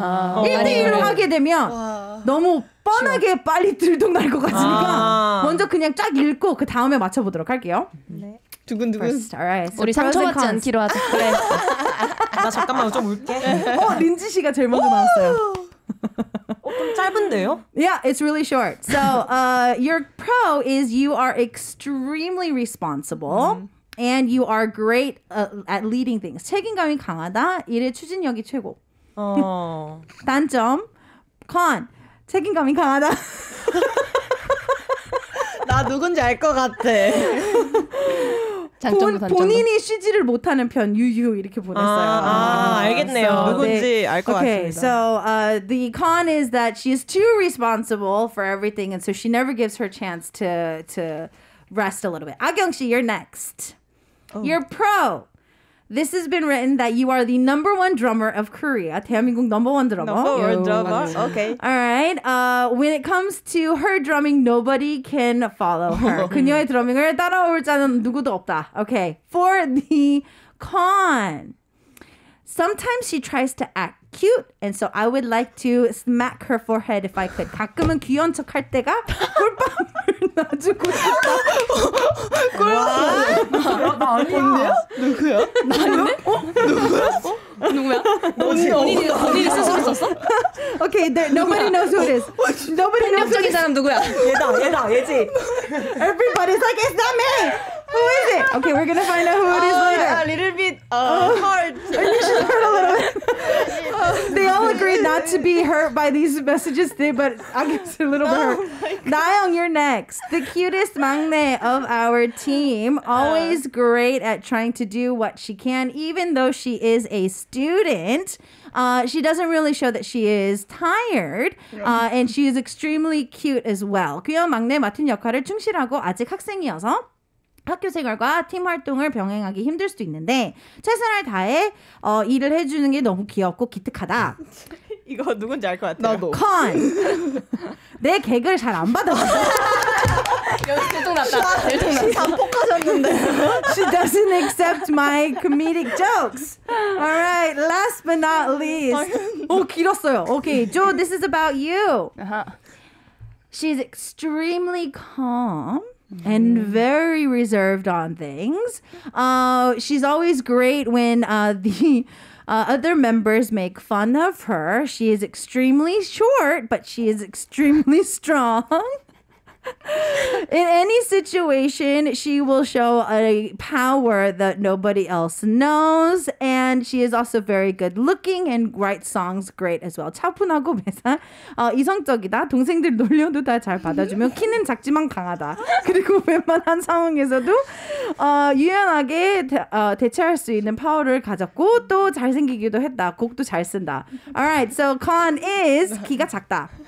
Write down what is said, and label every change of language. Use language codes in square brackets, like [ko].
[ko] 아~ 1대1로 아~ 하게 되면 너무 뻔하게 쉬워. 빨리 들동날 것 같으니까 아~ 먼저 그냥 쫙 읽고 그 다음에 맞춰보도록 할게요. 네. 두근두근. [en] First, right. [ko] so 우리 상처받지 않기로 하자. 그래. 나 잠깐만 좀 울게. 어, 린지 씨가 제일 먼저 나왔어요. 짧은데요? [en] Yeah, it's really short. So your pro is you are extremely responsible and you are great at leading things. [ko] 책임감이 강하다. 일의 추진력이 최고. 어. 단점. Con. 책임감이 강하다. 나 누군지 알 것 같아. 본인이 쉬지를 못하는 편 유유 이렇게 보냈어요. 아, 아, 아 알겠네요. So, 누군지 네. 알 것 [en] okay, [ko] 같습니다. [en] So the con is that she is too responsible for everything and so she never gives her chance to rest a little bit. 아경 씨, you're next. Oh. You're pro. This has been written that you are the number one drummer of Korea. 대한민국 number one drummer. Number one drummer. Okay. All right. When it comes to her drumming, nobody can follow her. [ko] 그녀의 드러밍을 따라올 자는 누구도 없다. [en] Okay. For the con, sometimes she tries to act cute, and so I would like to smack her forehead if I could. [ko] 가끔은 귀여운 척할 때가 꿀밤을 놔주고 싶다. 꿀밤? 나 아니야. 누구야? 나 아닌데? 어? 누구야? 어? 누구야? 본인이 스스로 썼어? [en] Okay, nobody knows who it is. [ko] 넌 역적인 사람 누구야? 얘다, 얘지. [en] Everybody's like, it's not me! Who is it? Okay, we're gonna find out who it is later. A little bit hard. You should hurt a little bit. They all agree not to be hurt by these messages today, but I guess a little bit hurt. Nayeong, you're next. The cutest 막내 of our team. Always great at trying to do what she can, even though she is a student. She doesn't really show that she is tired, and she is extremely cute as well. [ko] 귀여운 막내 맡은 역할을 충실하고 아직 학생이어서 학교 생활과 팀 활동을 병행하기 힘들 수도 있는데 최선을 다해 일을 해주는 게 너무 귀엽고 기특하다. 이거 누군지 알 것 같아요. 나도. 컨. 내 개그를 잘 안 받아봐. 여기 들통났다. 들통났다. 반복하셨는데. [en] She doesn't accept my comedic jokes. All right. Last but not least. [ko] 오, 길었어요. [en] Okay. Joe, this is about you. She's extremely calm. And very reserved on things. She's always great when the other members make fun of her. She is extremely short, but she is extremely strong. In any situation, she will show a power that nobody else knows. And she is also very good looking and writes songs great as well. [ko] 차분하고 매사 이성적이다. 동생들 놀려도 다 잘 받아주며 키는 작지만 강하다. 그리고 웬만한 상황에서도 유연하게 대처할 수 있는 파워를 가졌고 또 잘생기기도 했다. 곡도 잘 쓴다. [en] All right, so con is [ko] 키가 작다.